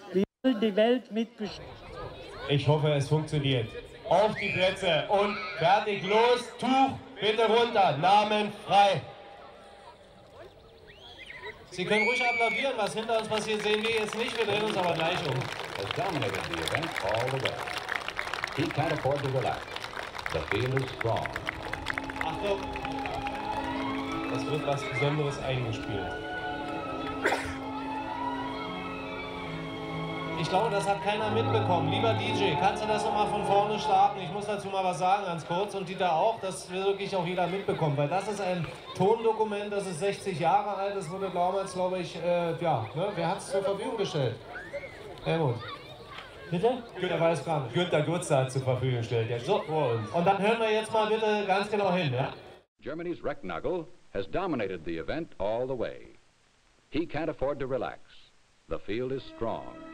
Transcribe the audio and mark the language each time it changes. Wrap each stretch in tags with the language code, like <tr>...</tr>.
<de>Wir wollen die Welt mitbestimmen. Ich hoffe, es funktioniert. Auf die Plätze und fertig, los, Tuch bitte runter, Namen frei. Sie können ruhig applaudieren, was hinter uns passiert, sehen wir jetzt nicht. Wir drehen uns aber gleich um.</de> <en>The dominator of the event, all the way. He can't afford to relax. The field is strong.</en> <de>Achtung! Es wird was Besonderes eingespielt. Ich glaube, das hat keiner mitbekommen. Lieber DJ, kannst du das nochmal von vorne starten? Ich muss dazu mal was sagen, ganz kurz. Und Dieter auch, das will wirklich auch jeder mitbekommen. Weil das ist ein Tondokument, das ist 60 Jahre alt. Das wurde damals, glaube ich, wer hat es zur Verfügung gestellt? Helmut. Bitte? Günther weiß gar nicht. Günther Gürzer hat es zur Verfügung gestellt. Ja, so. Und dann hören wir jetzt mal bitte ganz genau hin. Ja?</de> <en>Germany's Recknagel has dominated the event all the way. He can't afford to relax. The field is strong.</en>